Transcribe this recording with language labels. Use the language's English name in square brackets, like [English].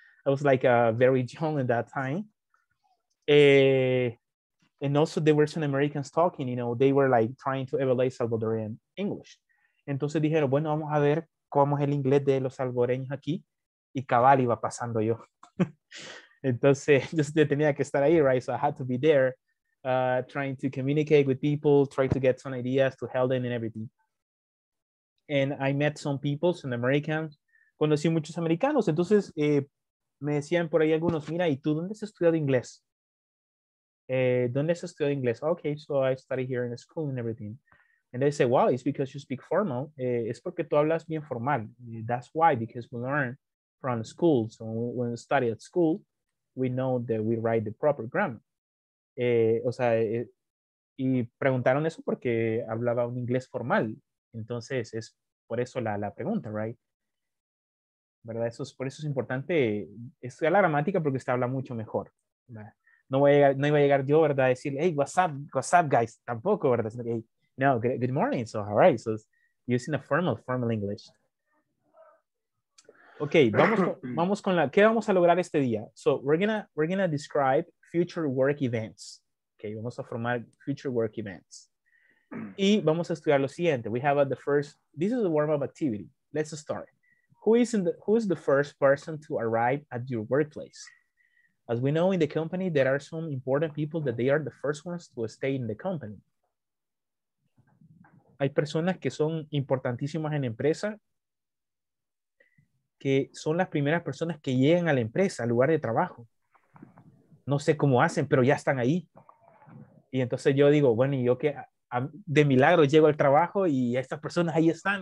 [English] I was like very young at that time. And also there were some Americans talking, you know, they were like trying to evaluate Salvadorian English. [Spanish] Entonces dijeron, bueno, vamos a ver cómo es el inglés de los salvadoreños aquí. Y cabal iba pasando yo. Entonces yo tenía que estar ahí, right? [English] So I had to be there trying to communicate with people, try to get some ideas to help them and everything. And I met some people, some Americans. [Spanish] Conocí muchos americanos. Entonces, me decían por ahí algunos, mira, ¿y tú dónde has estudiado inglés? ¿Dónde has estudiado inglés? [English] Okay, so I study here in school and everything. And they say, well, it's because you speak formal. [Spanish] Es porque tú hablas bien formal. [English] That's why, because we learn from school. So when we study at school, we know that we write the proper grammar. O sea, [Spanish] y preguntaron eso porque hablaba un inglés formal. Entonces, es por eso la pregunta, right? ¿Verdad? Por eso es importante estudiar la gramática porque usted habla mucho mejor. No iba a llegar yo, ¿verdad? A decir, [English] hey, what's up, guys? [Spanish] Tampoco, ¿verdad? [English] Like, hey, no, good morning. So, all right. So, using a formal English. Okay, [Spanish] ¿qué vamos a lograr este día? [English] So, we're gonna describe future work events. [Spanish] Okay, vamos a formar future work events. Y vamos a estudiar lo siguiente. [English] We have this is a warm-up activity. Let's start. Who is the first person to arrive at your workplace? As we know, in the company, there are some important people that they are the first ones to stay in the company. [Spanish] Hay personas que son importantísimas en la empresa, que son las primeras personas que llegan a la empresa, al lugar de trabajo. No sé cómo hacen, pero ya están ahí. Y entonces yo digo, bueno, y yo que de milagro llego al trabajo y estas personas ahí están.